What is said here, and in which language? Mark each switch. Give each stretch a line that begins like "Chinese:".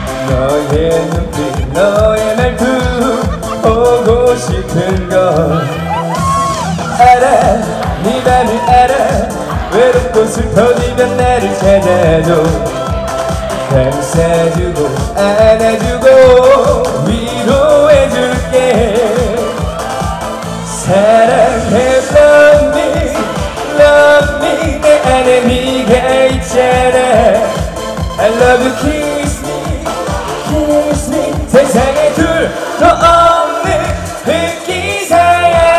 Korean: 너의 눈빛 너의 말투 보고 싶은 것 알아. 네 맘을 알아. 외롭고 슬퍼지면 나를 찾아줘. 감싸주고 안아주고 위로해줄게. 사랑해
English: love me love me.
Korean: 내 안에 네가 있잖아.
English: I love you kiss me kiss me.
Korean: 세상에 둘 더 없는 흑기사야.